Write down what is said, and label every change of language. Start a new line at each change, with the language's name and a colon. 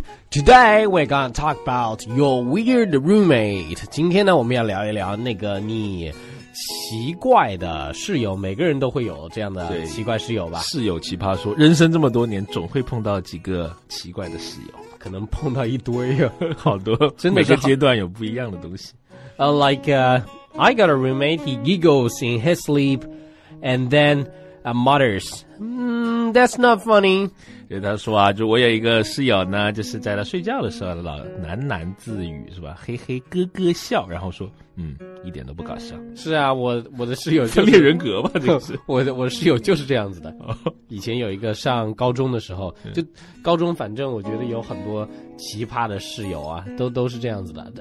English: Today we're going to talk about your weird roommate.
Chinese: 今天呢我们要聊一聊那个你奇怪的室友，每个人都会有这样的奇怪室友吧。室友奇葩说，人生这么多年总会碰到几个奇怪的室友。可能碰到一堆好多，真的每个阶段有不一样的东西。
English: I got a roommate, he giggles in his sleep, and then mutters, that's not funny.
Chinese: 就他说啊，就我有一个室友呢，就是在他睡觉的时候老喃喃自语是吧，嘿嘿咯咯笑，然后说一点都不搞笑。是啊，我的室友就是分裂人格吧，这是我室友就是这样子的。以前有一个上高中的时候，就高中反正我觉得有很多奇葩的室友啊，都是这样子的。